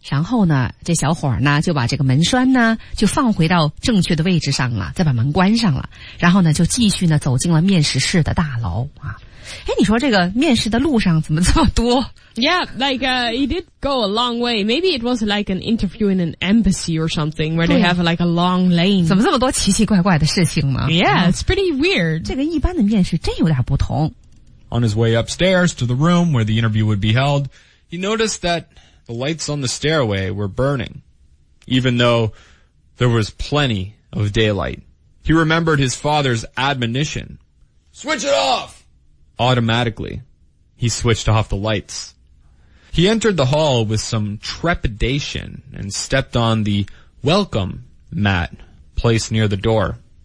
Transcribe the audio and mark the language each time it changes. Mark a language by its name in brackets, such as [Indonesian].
[Chinese] 然后呢，这小伙呢就把这个门栓呢就放回到正确的位置上了，再把门关上了，然后呢就继续呢走进了面试室的大楼啊。诶，你说这个面试的路上怎么这么多？ [English] Yeah, like, he did go a long way. Maybe it was like an interview in an embassy or something where they have like a long lane. [Chinese] 怎么这么多奇奇怪怪的事情呢？ [English] Yeah, it's pretty weird. [Chinese] 这个一般的面试真有点不同。 [English] On his way upstairs to the room where the interview would be held,He noticed that the lights on the stairway were burning, even though there was plenty of daylight. He remembered his father's admonition. Switch it off! Automatically, he switched off the lights. He entered the hall with some trepidation and stepped on the welcome mat placed near the door.